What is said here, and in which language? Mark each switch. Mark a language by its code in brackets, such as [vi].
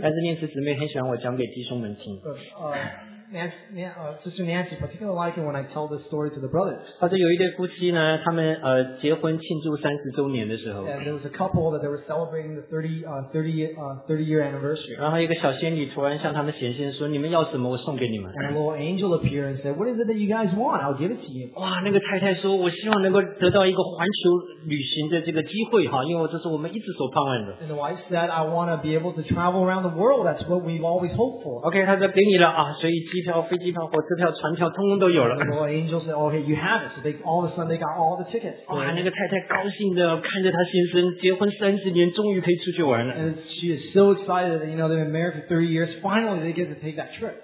[zh] 但是念慈姊妹很喜欢我讲给弟兄们听 [en] Sister Nancy particularly like it when I tell this story to the brothers. [zh] 他说有一对夫妻呢他们结婚庆祝30周年的时候 [en] and there was a couple that they were celebrating the 30 year anniversary. [zh] 然后一个小仙女突然向他们显现说你们要什么我送给你们 [en] and a little angel appeared and said what is it that you guys want? I'll give it to you. [zh] 哇那个太太说我希望能够得到一个环球旅行的这个机会哈，因为这是我们一直所盼望的 [en] and the wife said I want to be able to travel around the world. That's what we've always hoped for. [zh] OK 他说给你了啊，所以机票、飞机票、火车票、船票，通通都有了。 [en] The angel said, "Okay, you have it." So they all of a sudden they got all the tickets. [zh] 哇，那个太太高兴的看着她先生结婚30年，终于可以出去玩了。 [en] And she is so excited that you know they've been married for 3 years. Finally, they get to take that trip.